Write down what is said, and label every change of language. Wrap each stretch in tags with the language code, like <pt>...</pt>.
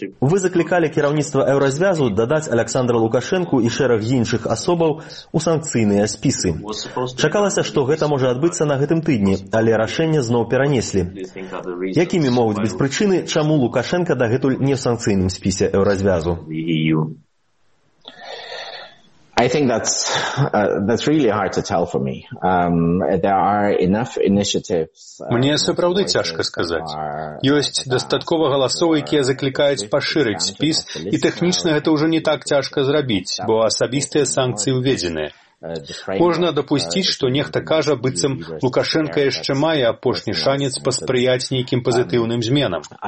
<be>Вы заклікалі кіраўніцтва еўразвязу дадаць Александра Лукашэнку і шэраг іншых асобаў у санкцыйныя спісы. Чакалася, што гэта можа адбыцца на гэтым тыдні, але рашэнне зноў перанеслі. Якімі могуць быць прычыны, чаму Лукашэнка дагэтуль не ў санкцыйным спісе еўразвязу?</be> <en>I think that's really hard to tell for me. There are enough initiatives.</en> <be>Мне сапраўды цяжка сказаць. Ёсць дастаткова галасоў, якія заклікаюць пашырыць спіс, і тэхнічна гэта ўжо не так цяжка зрабіць, бо асабістыя санкцыі ўведзеныя. Можна дапусціць, што нехта кажа, быццам Лукашэнка яшчэ мае апошні шанец паспрыяць нейкім пазітыўным зменам.</be>